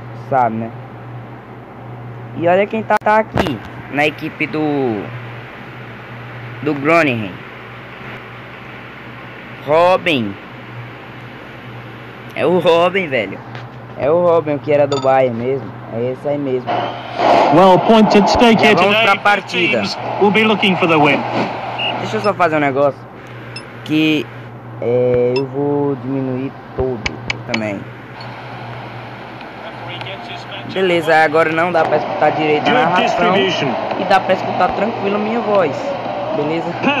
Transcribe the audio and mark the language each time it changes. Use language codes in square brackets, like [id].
[pt] sabe, né? E olha quem tá aqui. Na equipe do... do Groningen. Robin. É o Robin, velho. É o Robin, que era do Bayern mesmo. É esse aí mesmo. [en] Well, point at stake here today. [pt] Vamos pra partida. [en] We'll be looking for the win. [pt] Deixa eu só fazer um negócio. Que eu vou diminuir tudo também. Beleza, agora não dá pra escutar direito a narração. E dá pra escutar tranquilo a minha voz. Beleza?